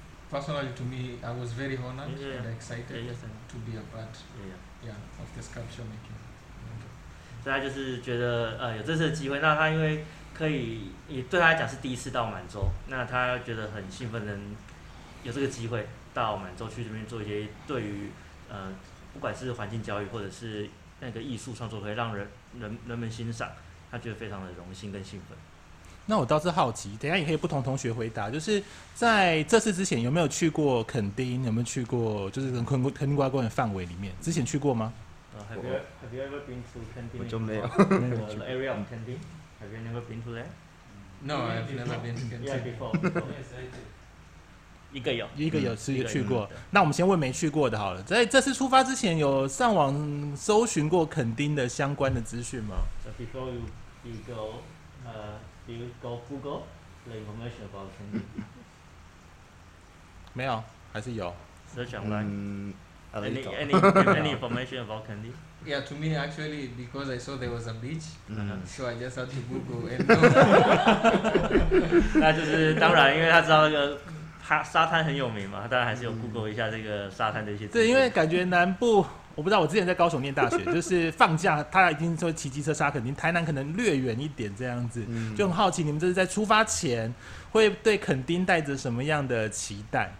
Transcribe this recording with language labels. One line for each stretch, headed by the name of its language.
English: Personally, to me, I was very honored and excited to be a part of the sculpture making.
Chinese: 所以他就是觉得有这次的机会，那他因为可以也对他来讲是第一次到满洲，那他觉得很兴奋，能有这个机会到满洲去这边做一些对于不管是环境教育或者是那个艺术创作，可以让人们欣赏，他觉得非常的荣幸跟兴奋。那我倒是好奇，等一下也可以不同同学回答，就是在这次之前有没有去过垦丁，有没有去过就是垦丁瓜公园范围里面，之前去过吗？
English: Have you ever been to 垦丁？
Chinese: 我就没有。
English: The area of 垦丁 ，Have you never been to there？ No, I've never been to 垦丁。 Yeah, before. 一个有
Chinese: 是去过。那我们先问没去过的好了。在这次出发之前，有上网搜寻过垦丁的相关的资讯吗
English: ？Before you go, Do you go Google the information about Kandy?
Chinese: 没有，还是有。
English: Search online. Any information about Kandy? Yeah, to me actually because I saw there was a beach, so I just had to Google and.
Chinese: 那就是当然，因为他知道那个沙滩很有名嘛，当然还是有 Google 一下这个沙滩的一些资讯。对，因为感觉南部。我不知道，我之前在高雄念大学，就是放假他一定说骑机车杀垦丁，台南可能略远一点这样子，就很好奇你们这是在出发前会对垦丁带着什么样的期待？